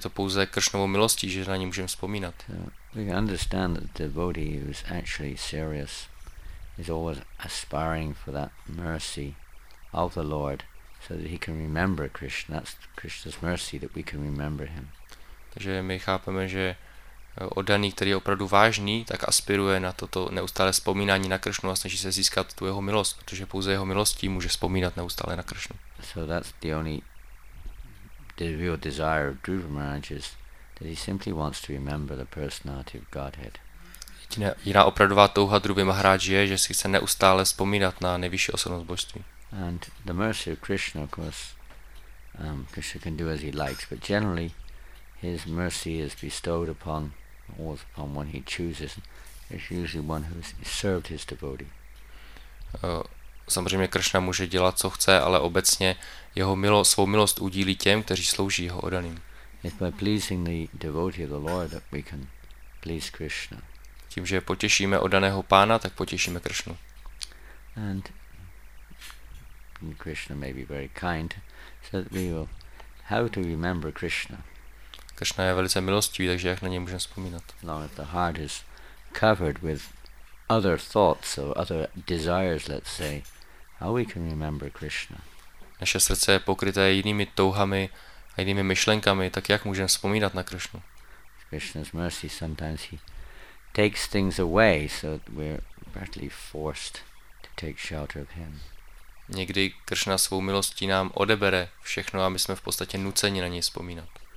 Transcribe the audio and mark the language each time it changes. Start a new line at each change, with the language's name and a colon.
Czech: to pouze Kršnovou milostí, že na ní můžeme vzpomínat.
English: We understand that the devotee who is actually serious is always aspiring for that mercy of the Lord so that he can remember Krishna. That's Krishna's mercy that we can remember him.
Czech: Takže my chápeme, že oddaný, který je opravdu vážný, tak aspiruje na toto neustále vzpomínání na Kršnu a snaží se získat tu jeho milost, protože pouze jeho milostí může vzpomínat neustále na Kršnu.
English: So that's the only the real desire of Dhruva Maharaj is that he simply wants to remember the personality of Godhead.
Czech: Jiná opravdová touha Dhruvy Maharaj je, že si chce neustále vzpomínat na nejvyšší osobnost božství.
English: And the mercy of Krishna, of course, Krishna can do as he likes, but generally his mercy is bestowed upon always upon one he chooses. It's usually one who has served his devotee.
Czech: Samozřejmě Krishna může dělat, co chce, ale obecně jeho milost, svou milost udílí těm, kteří slouží jeho oddaným.
English: It's by pleasing the devotee of the Lord that we can please Krishna.
Czech: Tím, že potěšíme oddaného pána, tak potěšíme Krishnu.
English: And Krishna may be very kind, so that we will how to remember Krishna.
Czech: Krishna je velice milostivý, takže jak na něj můžeme vzpomínat?
English: Now if the heart is covered with other thoughts or other desires, let's say, how we can remember Krishna?
Czech: Naše srdce je pokryté jinými touhami a jinými myšlenkami, tak jak můžeme vzpomínat na Krishnu?
English: Krishna's mercy sometimes he takes things away, so we're practically forced to take shelter of him.
Czech: Někdy Krishna svou milostí nám odebere všechno a my jsme v podstatě nuceni na něj vzpomínat.